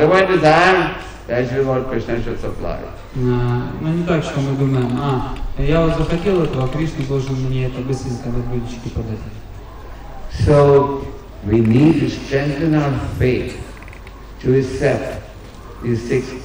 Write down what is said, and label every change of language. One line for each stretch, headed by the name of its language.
English: Whatever I desire, that should be what Krishna should supply.
Russian: Но не так, что мы думаем. Я вот захотел этого, Кришна должен мне это быстренько в блюдечке подать.
English: So we need to strengthen our faith to accept these six.